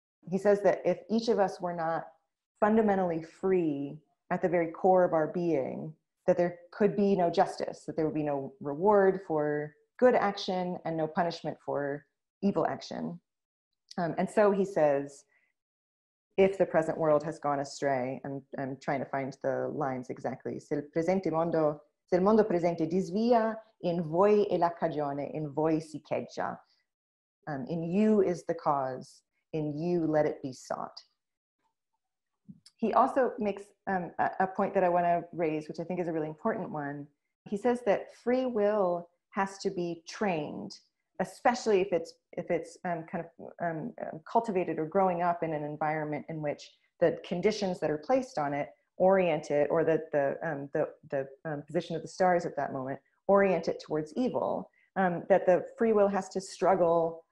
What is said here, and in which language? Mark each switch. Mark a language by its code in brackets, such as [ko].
[en] He says that if each of us were not fundamentally free at the very core of our being, that there could be no justice, that there would be no reward for good action and no punishment for evil action. And so he says, if the present world has gone astray, I'm trying to find the lines exactly. [it] Se il mondo presente disvia, in voi è la cagione, in voi si cheggia. [en] In you is the cause, in you let it be sought. He also makes a point that I want to raise, which I think is a really important one. He says that free will has to be trained, especially if it's cultivated or growing up in an environment in which the conditions that are placed on it orient it, or that the position of the stars at that moment orient it towards evil, that the free will has to struggle